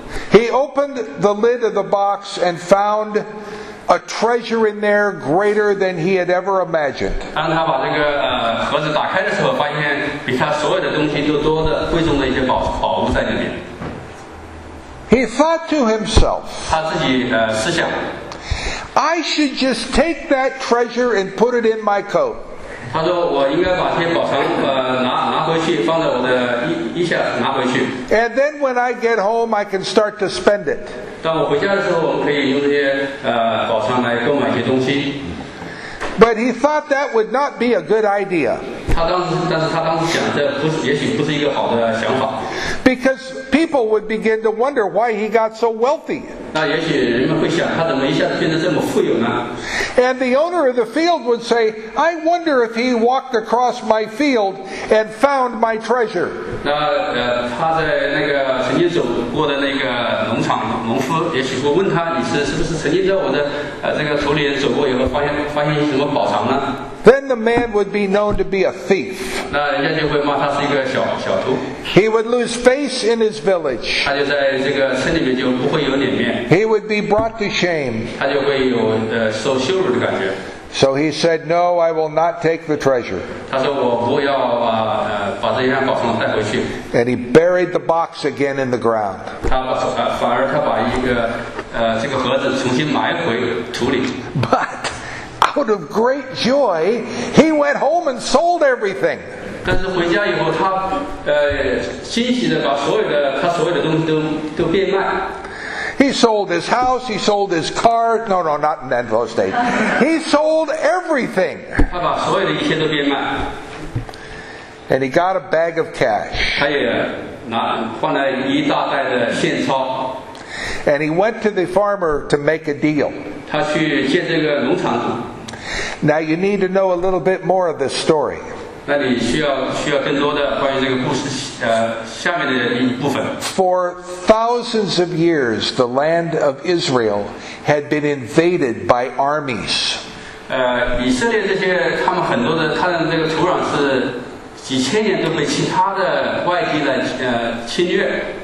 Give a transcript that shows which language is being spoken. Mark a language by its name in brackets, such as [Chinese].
[English] He opened the lid of the box and found a treasure in there greater than he had ever imagined. [Chinese] 当他把这个盒子打开的时候，发现比他所有的东西都多的贵重的一些宝物在里面。 [English] He thought to himself, [Chinese] 他自己思想， [English] I should just take that treasure and put it in my coat. [Chinese] 他说我应该把这些宝藏拿回去放在我的衣下拿回去。 [English] And then when I get home, I can start to spend it. [Chinese] 当我回家的时候，我们可以用这些宝藏来购买一些东西。 [English] But he thought that would not be a good idea. [Chinese] 但是他当时想这不是也许不是一个好的想法。 [English] Because people would begin to wonder why he got so wealthy. [Chinese] 那也许人们会想他怎么一下子变得这么富有呢？ [English] And the owner of the field would say, I wonder if he walked across my field and found my treasure. [Chinese] 那他在那个曾经走过的那个农场农夫也许会问他，你是不是曾经在我的这个土里走过以后发现什么宝藏呢？ [English] Then the man would be known to be a thief. [Chinese] 那人家就会骂他是一个小偷。 [English] He would lose face in his village. [Chinese] 他就在这个村里面就不会有脸面。 [English] He would be brought to shame. [Chinese] 他就会有受羞辱的感觉。 [English] So he said, "No, I will not take the treasure." [Chinese] 他说我不要把这件宝藏带回去。 [English] And he buried the box again in the ground. [Chinese] 反而他把一个这个盒子重新埋回土里。 [English] But out of great joy, he went home and sold everything. [Chinese] 但是回家以后，他欣喜的把所有的东西都变卖。 [English] He sold his house. He sold his car. No, not in Enfield State. He sold everything. [Chinese] 他把所有的一切都变卖。 [English] And he got a bag of cash. [Chinese] 他也换了一大袋的现钞。 [English] And he went to the farmer to make a deal. [Chinese] 他去见这个农场主。 [English] Now you need to know a little bit more of this story. [Chinese] 那你需要更多的关于这个故事下面的一部分。 [English] For thousands of years, the land of Israel had been invaded by armies. [Chinese] 以色列这些他们很多的他的这个土壤是几千年都被其他的外敌来侵略。